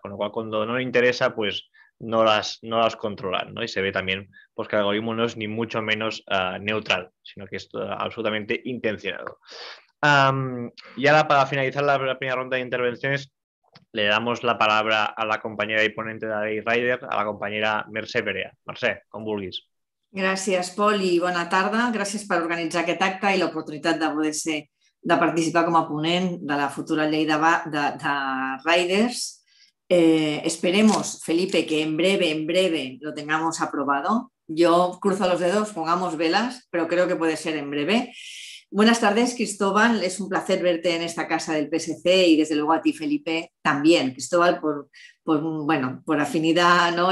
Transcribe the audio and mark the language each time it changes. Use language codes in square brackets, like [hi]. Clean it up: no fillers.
[es] Con lo cual, cuando no les interesa, pues no las controlan, ¿no? Y se ve también pues, que el algoritmo no es ni mucho menos neutral, sino que es absolutamente intencionado. Y ahora, para finalizar la primera ronda de intervenciones, le damos la palabra a la compañera y ponente de Day Rider, a la compañera Mercè Perea. [ca] Mercè, com vulguis. Gràcies, Pol, i bona tarda. Gràcies per organitzar aquest acte i l'oportunitat de poder ser, de participar com a ponent de la futura llei de Riders. [es] Esperemos, Felipe, que en breve lo tengamos aprobado. Yo cruzo los dedos, pongamos velas, pero creo que puede ser en breve. Buenas tardes, Cristóbal. Es un placer verte en esta casa del PSC y desde luego a ti, Felipe, también. Cristóbal, por afinidad, ¿no?